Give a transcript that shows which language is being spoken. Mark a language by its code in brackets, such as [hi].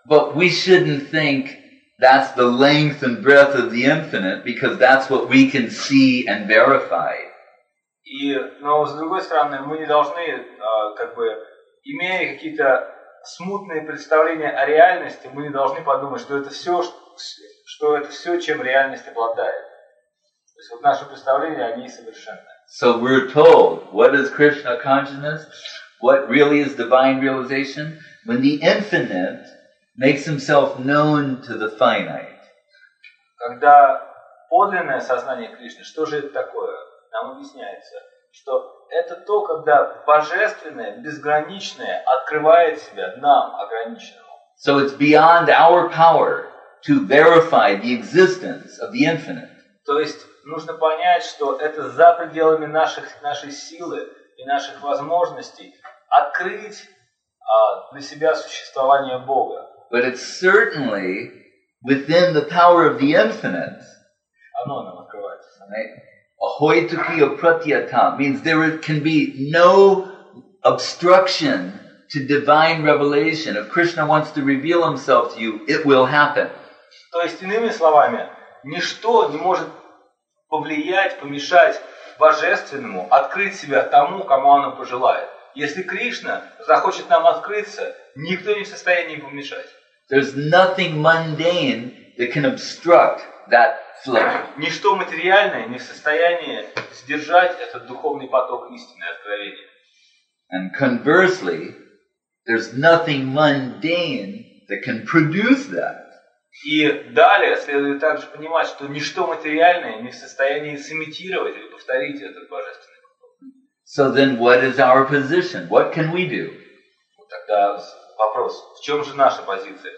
[en] But we shouldn't think that's the length and breadth of the infinite, because that's what we can see and verify. [ru] И, но с другой стороны, мы не должны, как бы, имея какие-то смутные представления о реальности, мы не должны подумать, что это все, что это все, чем реальность обладает. То есть вот наши представления, они совершенны. [en] So we're told, what is Krishna consciousness? What really is divine realization? When the infinite makes himself known to the finite. [ru] Когда подлинное сознание Кришны, что же это такое? Нам объясняется, что это то, когда божественное, безграничное открывает себя нам, ограниченному. [en] So it's beyond our power to verify the existence of the infinite. [ru] То есть нужно понять, что это за пределами нашей силы и наших возможностей открыть для себя существование Бога. [en] But it's certainly within the power of the infinite. [ru] Оно нам открывается. [en] Right? Ahoituki apratyata means there can be no obstruction to divine revelation. If Krishna wants to reveal himself to you, it will happen. [ru] То есть, иными словами, ничто не может повлиять, помешать божественному открыть себя тому, кому оно пожелает. Если Кришна захочет нам открыться, никто не в состоянии помешать. [en] There's nothing mundane that can obstruct that flow. [ru] Ничто материальное не в состоянии сдержать этот духовный поток истины, откровения. [en] And conversely, there's nothing mundane that can produce that. [ru] И далее следует также понимать, что ничто материальное не в состоянии сымитировать или повторить этот божественный поток. [en] So then what is our position? What can we do? [ru] Тогда вопрос, в чем же наша позиция?